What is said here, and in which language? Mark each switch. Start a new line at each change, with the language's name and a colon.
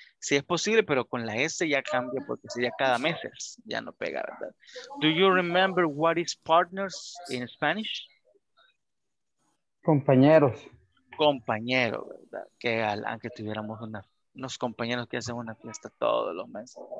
Spanish: Sí es posible, pero con la S ya cambia porque sería cada mes. Ya no pega, ¿verdad?
English: Do you remember what is partners in Spanish?
Spanish: Compañeros. Compañero, ¿verdad? Que aunque tuviéramos unos compañeros que hacen una fiesta todos los meses.